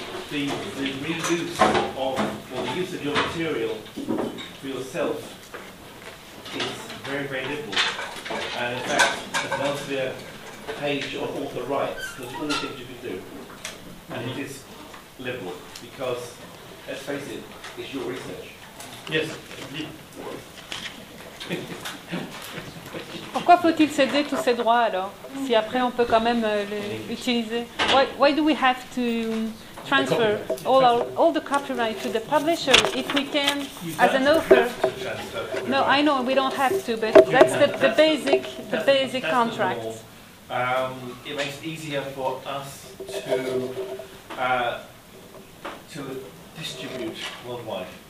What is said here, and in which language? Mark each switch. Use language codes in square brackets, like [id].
[en] The reuse of, or the use of your material for yourself is very, very liberal. And in fact, an Elsevier page of author rights, there's all the things you can do. And it is liberal, because, let's face it, it's your research. Yes. [fr] Pourquoi faut-il céder tous ces droits, alors, si après on peut quand même les utiliser? [en] Why do we have to transfer all the copyright to the publisher if we can, as an author? No, I know we don't have to, but that's the basic contract. It makes it easier for us to distribute worldwide.